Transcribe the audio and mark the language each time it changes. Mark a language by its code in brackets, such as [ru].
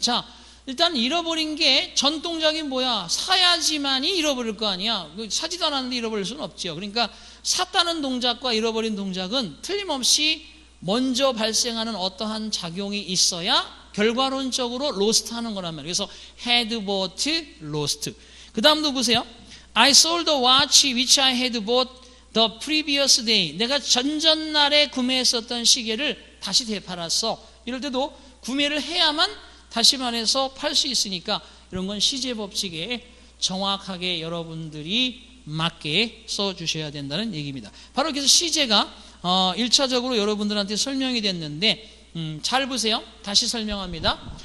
[ko] 자, 일단 잃어버린 게 전 동작이 뭐야? 사야지만이 잃어버릴 거 아니야. 사지도 않았는데 잃어버릴 수는 없지요. 그러니까 샀다는 동작과 잃어버린 동작은 틀림없이 먼저 발생하는 어떠한 작용이 있어야 결과론적으로 lost 하는 거란 말이에요. 그래서 [en] had bought lost. [ko] 그 다음도 보세요. [en] I sold the watch which I had bought the previous day. [ko] 내가 전전날에 구매했었던 시계를 다시 되팔았어. 이럴 때도 구매를 해야만 다시 말해서 팔 수 있으니까 이런 건 시제 법칙에 정확하게 여러분들이 맞게 써주셔야 된다는 얘기입니다. 바로 그래서 시제가 1차적으로 여러분들한테 설명이 됐는데 잘 보세요. 다시 설명합니다.